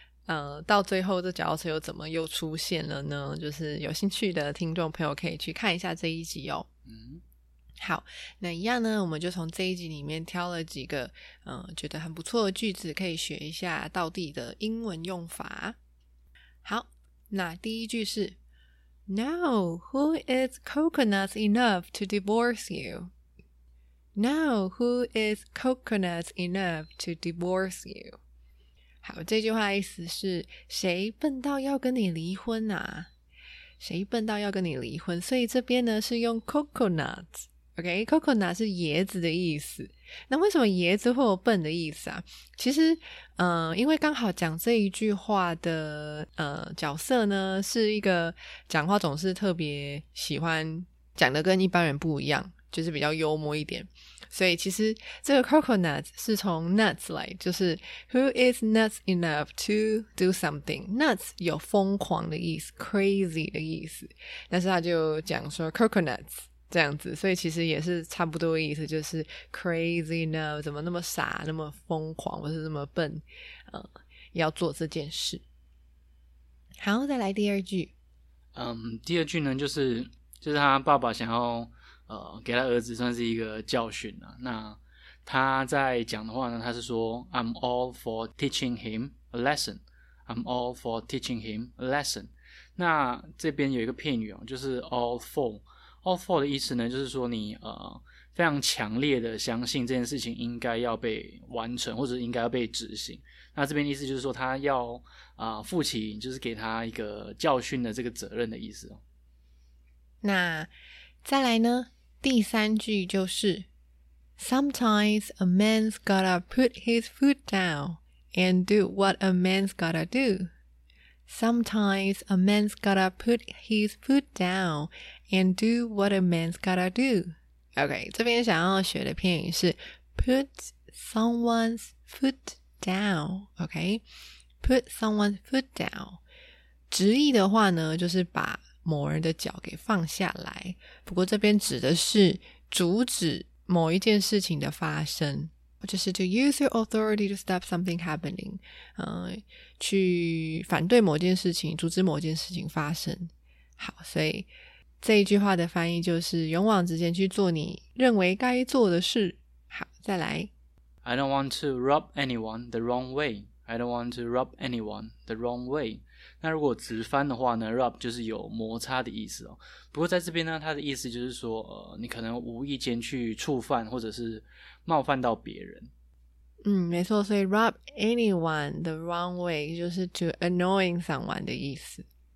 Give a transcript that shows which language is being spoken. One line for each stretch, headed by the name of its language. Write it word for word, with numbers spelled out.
Chinese: 呃，到最后这脚踏车又怎么又出现了呢？就是有兴趣的听众朋友可以去看一下这一集哦。嗯，好，那一样呢，我们就从这一集里面挑了几个呃觉得很不错的句子，可以学一下道地的英文用法。好，那第一句是
English: No, who is coconut enough to divorce you? No, who is coconut enough to divorce you?
Chinese: 好，这句话意思是谁笨到要跟你离婚啊？谁笨到要跟你离婚？所以这边呢是用 coconut， OK， coconut 是椰子的意思。那为什么椰子会有笨的意思啊？其实，嗯、呃，因为刚好讲这一句话的呃角色呢，是一个讲话总是特别喜欢讲的跟一般人不一样，就是比较幽默一点。所以其实这个 coconut 是从 nuts 来，就是
English: who is nuts enough to do something。
Chinese: nuts 有疯狂的意思， crazy 的意思，但是他就讲说 coconuts 这样子，所以其实也是差不多的意思，就是
English: crazy enough，
Chinese: 怎么那么傻，那么疯狂，或是那么笨、呃、要做这件事。好，再来第二句。嗯，第二句呢就是就是他爸爸想要呃，给他儿子算是一个教训了、啊。那他在讲的话呢，他是说
English: I'm all for teaching him a lesson I'm all for teaching him a lesson。
Chinese: 那这边有一个片语、哦、就是 all for all for 的意思呢，就是说你呃非常强烈的相信这件事情应该要被完成，或者应该要被执行。那这边意思就是说他要啊、呃、负起就是给他一个教训的这个责任的意思、哦、那再来呢，第三句就是
English: Sometimes a man's gotta put his foot down and do what a man's gotta do. Sometimes a man's gotta put his foot down and do what a man's gotta do.
Chinese: OK， 这边想要学的片语是
English: put someone's foot down.
Chinese: OK，
English: put someone's foot down.
Chinese: 直译的话呢，就是把某人的脚给放下来，不过这边指的是阻止某一件事情的发生，就是
English: to use your authority to stop something happening，
Chinese: 呃，去反对某件事情，阻止某件事情发生。好，所以这一句话的翻译就是勇往直前去做你认为该做的事。好，再来
English: I don't want to rub anyone the wrong way I don't want to rub anyone the wrong way。
Chinese: 那如果直翻的话呢 rub 就是有摩擦的意思哦。不过在这边呢，它的意思就是说呃，你可能无意间去触犯或者是冒犯到别人。嗯，没错，所以
English: rub anyone the wrong way
Chinese: 就是
English: to annoying someone
Chinese: 的意思。